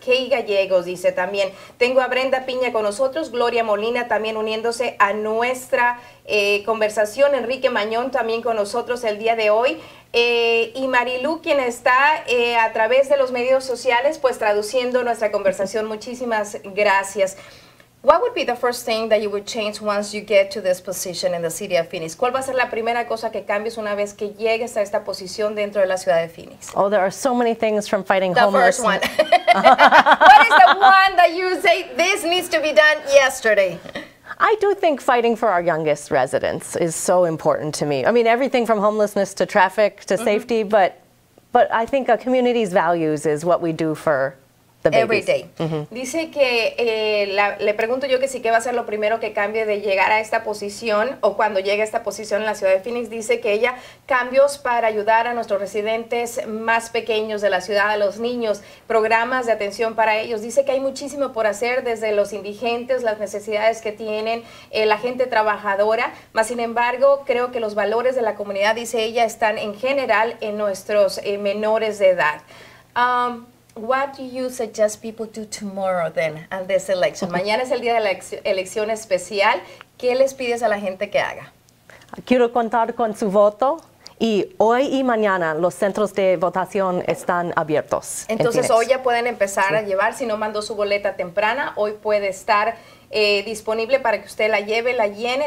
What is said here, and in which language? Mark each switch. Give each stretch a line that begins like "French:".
Spanish: Kay Gallegos dice también, tengo a Brenda Piña con nosotros, Gloria Molina también uniéndose a nuestra conversación, Enrique Mañón también con nosotros el día de hoy. Y Marilu, quien está a través de los medios sociales, pues traduciendo nuestra conversación. Muchísimas gracias.
English: What would be the first thing that you would change once you get to this position in the city of Phoenix?
Spanish: ¿Cuál va a ser la primera cosa que cambies una vez que llegues a esta posición dentro de la ciudad de Phoenix?
English: Oh, there are so many things from fighting the homeless. The first one. What is the one that you say, this needs to be done yesterday? I do think fighting for our youngest residents is so important to me. I mean, everything from homelessness to traffic to safety, but I think a community's values is what we do for every day.
Spanish: Dice que le pregunto yo que sí, que va a ser lo primero que cambie de llegar a esta posición o cuando llegue a esta posición en la ciudad de Phoenix. Dice que ella, cambios para ayudar a nuestros residentes más pequeños de la ciudad, a los niños, programas de atención para ellos. Dice que hay muchísimo por hacer, desde los indigentes, las necesidades que tienen, la gente trabajadora, mas sin embargo creo que los valores de la comunidad, dice ella, están en general en nuestros menores de edad.
English: What do you suggest people do tomorrow then at this election?
Spanish: Mañana es el día de la elección especial. ¿Qué les pides a la gente que haga? Quiero contar con su voto. Y hoy y mañana los centros de votación están abiertos. Entonces hoy ya pueden empezar a llevar. Si no mandó su boleta temprana, hoy puede estar disponible para que usted la lleve, la llene.